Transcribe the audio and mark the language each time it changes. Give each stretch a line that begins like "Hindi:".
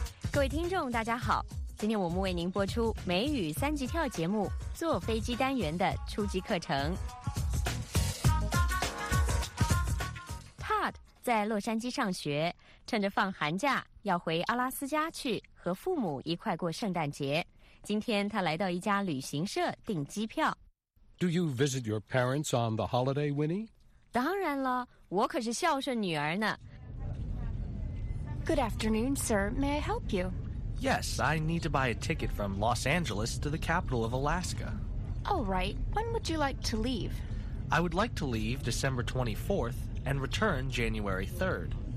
Chinese: 各位听众大家好，今天我们为您播出每日三起跳节目坐飞机单元的初级课程。在洛杉矶上学，趁着放寒假要回阿拉斯加去和父母一块过圣诞节。今天他来到一家旅行社订机票。
English: Do you visit your parents on the holiday, Winnie?
Chinese: 当然了，我可是孝顺女儿呢。
English: Good afternoon, sir. May I help you? Yes, I need to buy a ticket from Los Angeles to the capital of Alaska. All right. When would you like to leave? I would like to leave December 24th. And return January 3rd.